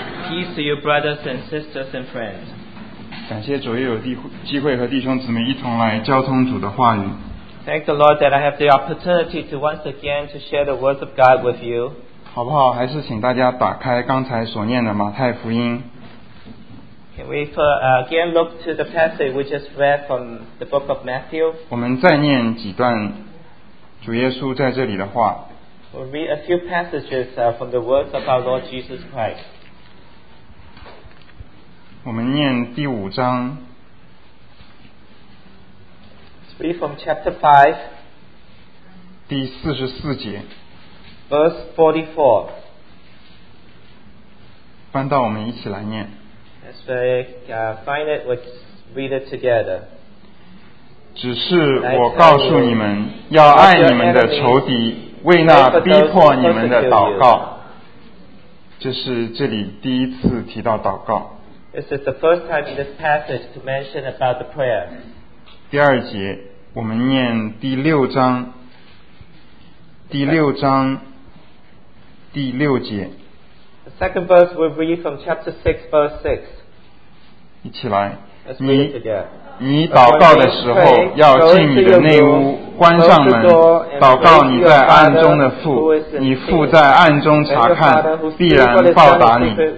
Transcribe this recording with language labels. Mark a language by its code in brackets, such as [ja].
[en] Peace to your brothers and sisters and friends. [zh] 感谢主，有机会和弟兄姊妹一同来交通主的话语。 [en] Thank the Lord that I have the opportunity to once again to share the words of God with you. [zh] 好不好？还是请大家打开刚才所念的马太福音。 [en] Can we again look to the passage we just read from the book of Matthew? [zh] 我们再念几段主耶稣在这里的话。 [en] We'll read a few passages from the words of our Lord Jesus Christ. [zh] 我们念第五章。 [en] Let's read from chapter 5. [zh] 第四十四节。 [en] Verse 44. [zh] 翻到我们一起来念。 [en] As we find it, let's read it together. [zh] 只是我告诉你们，要爱你们的仇敌，为那逼迫你们的祷告。这是这里第一次提到祷告。 [en] This is the first time in this passage to mention about the prayer. [zh] 第二节，我们念第六章，第六章第六节。 [en] The second verse we read from chapter 6, verse 6. [zh] 一起来，你祷告的时候要进你的内屋，关上门，祷告你在暗中的父，你父在暗中查看，必然报答你。